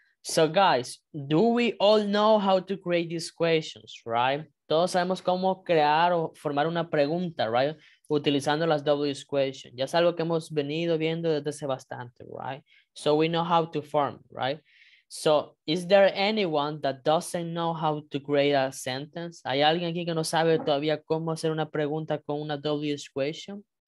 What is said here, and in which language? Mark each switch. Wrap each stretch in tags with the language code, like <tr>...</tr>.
<en>So, guys, do we all know how to create these questions, right?</en> <es>Todos sabemos cómo crear o formar una pregunta,</es> <en>right?</en> <es>Utilizando las W's questions. Ya es algo que hemos venido viendo desde hace bastante,</es> <en>right? So, we know how to form, right? So, is there anyone that doesn't know how to create a sentence?</en> <es>¿Hay alguien aquí que no sabe todavía cómo hacer una pregunta con una W's question?</es>